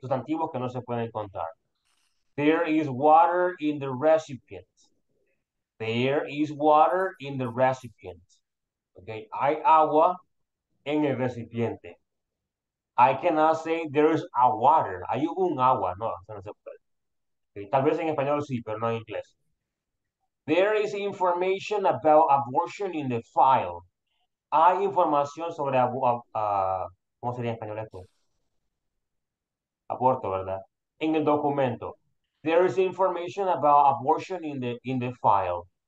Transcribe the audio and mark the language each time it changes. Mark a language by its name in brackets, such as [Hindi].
[Spanish] Sustantivos que no se pueden contar. [English] There is water in the recipient. There is water in the recipient. Okay? [Spanish] Hay agua en el recipiente. [English] I cannot say there is a water. [Spanish] Hay un agua. No, eso no se puede. Okay? Tal vez en español sí, pero no en inglés. [English] There is information about abortion in the file. [Spanish] Hay información sobre ¿cómo sería en español esto? Aborto, ¿verdad? En el documento. [English] There is information about abortion in the file.